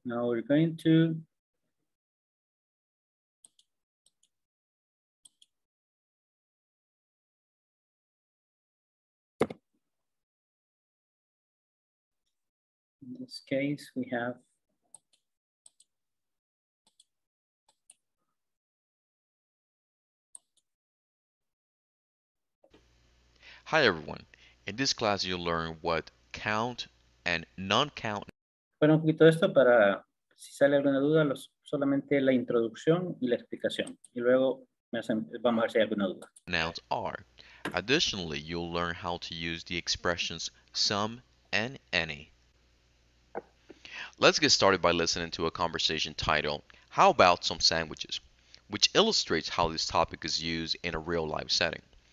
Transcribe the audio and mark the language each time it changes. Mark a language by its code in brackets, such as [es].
[en] Now we're going to in this case we have Hi everyone. In this class you'll learn what count and non-count. [es] Bueno, un poquito esto para si sale alguna duda, solamente la introducción y la explicación. Y luego vamos a ver si hay alguna duda. [en] Nouns are. Additionally, you'll learn how to use the expressions some and any. Let's get started by listening to a conversation titled, How About Some Sandwiches? Which illustrates how this topic is used in a real life setting.